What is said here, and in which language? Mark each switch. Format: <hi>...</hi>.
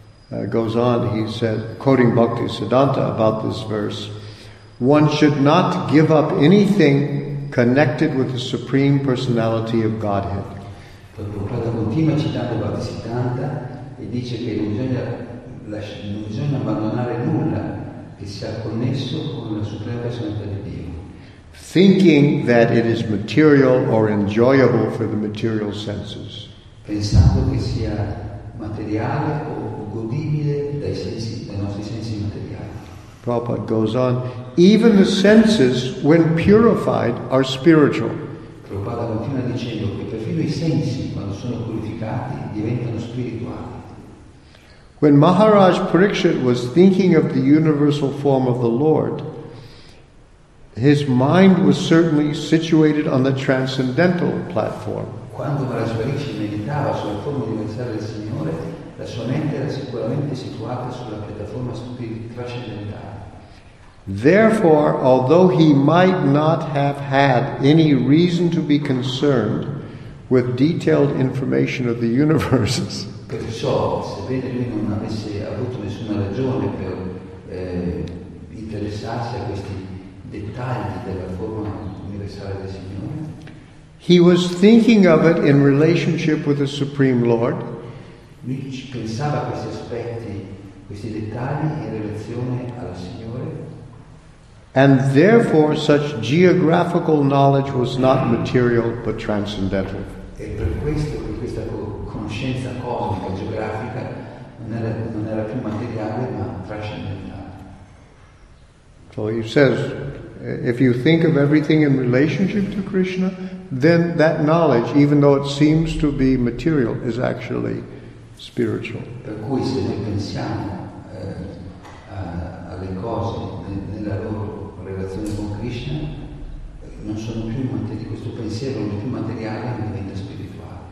<en>Prabhupada goes on, he said, quoting Bhaktisiddhanta about this verse, one should not give up anything connected with the Supreme Personality of Godhead.</en> <it>Prabhupada continua citando Bhaktisiddhanta e dice che non bisogna non bisogna abbandonare nulla che sia connesso con la suprema personalità di Dio.</it> <en>Thinking that it is material or enjoyable for the material senses.</en> <it>Pensando che sia materiale o godibile dai sensi, dai nostri sensi materiali.</it> <en>Prabhupada goes on, even the senses, when purified, are spiritual.</en> <it>Prabhupada continua dicendo che perfino i sensi, quando sono purificati, diventano spirituali.</it> <en>When Maharaj Parikshit was thinking of the universal form of the Lord, his mind was certainly situated on the transcendental platform.</en> <it>Quando Maharaj Parikshit meditava sulla forma universale del Signore, la sua mente era sicuramente situata sulla piattaforma trascendentale.</it> <en>Therefore, although he might not have had any reason to be concerned with detailed information of the universes,</en> <it>perciò, sebbene lui non avesse avuto nessuna ragione per interessarsi a questi dettagli della forma universale del Signore,</it> <en>he was thinking of it in relationship with the Supreme Lord.</en> <it>Lui pensava a questi aspetti, questi dettagli in relazione al Signore.</it> <en>And therefore, such geographical knowledge was not material but transcendental.</en> <it>E per questo, per questa conoscenza cosmica, geografica, non era più materiale ma trascendentale.</it> <en>So he says, if you think of everything in relationship to Krishna, then that knowledge, even though it seems to be material, is actually spiritual.</en> <it>Per cui se noi pensiamo alle cose nella loro relazione con Krishna, non sono più materiali, questo pensiero non è più materiale, ma diventa spirituale.</it>